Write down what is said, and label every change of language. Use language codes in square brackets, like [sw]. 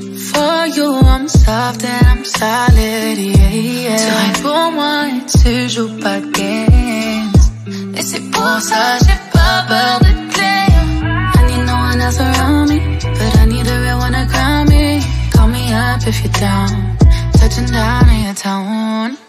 [en] For you, I'm soft and I'm solid, yeah, yeah. [fr] Tu pour moi, tu joues pas de games. Et c'est pour ça j'ai pas peur de play. [en] I need no one else around me, but I need a real one to ground me. Call me up if you're down, touching down in your town.